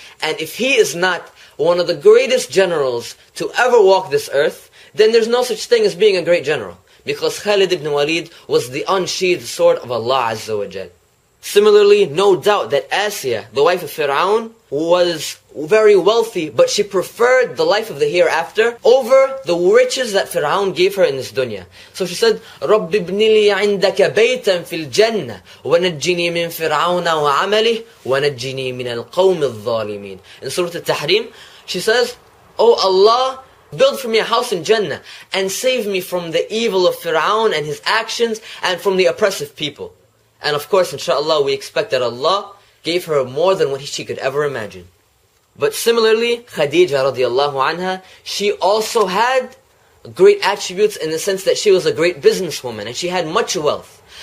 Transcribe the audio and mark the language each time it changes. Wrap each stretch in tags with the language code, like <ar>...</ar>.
<en>And if he is not one of the greatest generals to ever walk this earth, then there's no such thing as being a great general. Because Khalid ibn Walid was the unsheathed sword of Allah azza wa jal. Similarly, no doubt that Asiya, the wife of Fir'aun, was very wealthy, but she preferred the life of the hereafter over the riches that Fir'aun gave her in this dunya. So she said,</en> <ar>رَبِّ بْنِي لِي عِنْدَكَ بَيْتًا فِي الْجَنَّةِ وَنَجِّنِي مِنْ فِرْعَوْنَ وَعَمَلِهِ وَنَجِّنِي مِنَ الْقَوْمِ الظَّالِمِينَ.</ar> <en>In Surah Al-Tahrim, she says, Oh Allah, build for me a house in Jannah and save me from the evil of Fir'aun and his actions and from the oppressive people. And of course, inshallah, we expect that Allah gave her more than what she could ever imagine. But similarly, Khadija radiallahu anha, she also had great attributes in the sense that she was a great businesswoman and she had much wealth.</en>